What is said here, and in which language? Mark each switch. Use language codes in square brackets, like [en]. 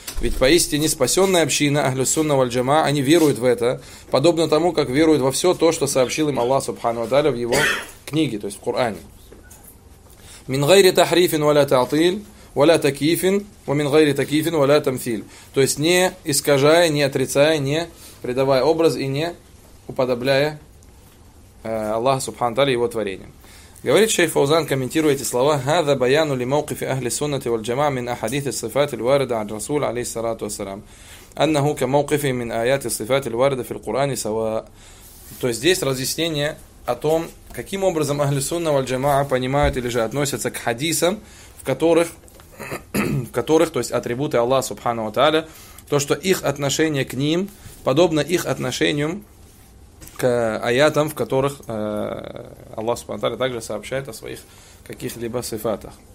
[ru] Ведь поистине спасенная община, أهل السنة والجماعة, они веруют в это, подобно тому, как веруют во все то, что сообщил им Аллах, субхану ва тааля, в его книге, то есть в Коране. [ar] مِنْ غَيْرِ تَحْرِيفٍ وَلَا تَعْطِيلٍ وَلَا تَكِيفٍ وَمِنْ غَيْرِ تَكِيفٍ وَلَا تَمْثِيلٍ. [ru] То есть не искажая, не отрицая, не придавая образ и не уподобляя Аллаха Субхану Тааля его творением. Говорит шейх Фаузан, комментируя эти слова, [ar] هَذَا بَيَانُ لِمَوْقِفِ أَهْلِ السُنَّةِ وَالْجَمَعَةِ مِنْ أَحَدِيثِ الصِّفَاتِ الْوَارِدَةِ عَنْ رَسُولِ عَلَيْهِ الصَّلَاةُ وَالسَّلَامُ أَنَّهُ كَمَوْقِفِ مِنْ آيَاتِ الصِّفَاتِ الْوَارِدَةِ فِي الْقُرْآنِ سَوَاءٌ. [ru] То есть здесь разъяснение о том, каким образом Ахли Сунна валь Джамаа понимают или же относятся к хадисам, в которых, то есть атрибуты Аллаха Субхану ва Тааля, то, что их отношение к ним подобно их отношению к аятам, в которых Аллах Субхану ва Тааля также сообщает о своих каких-либо сифатах.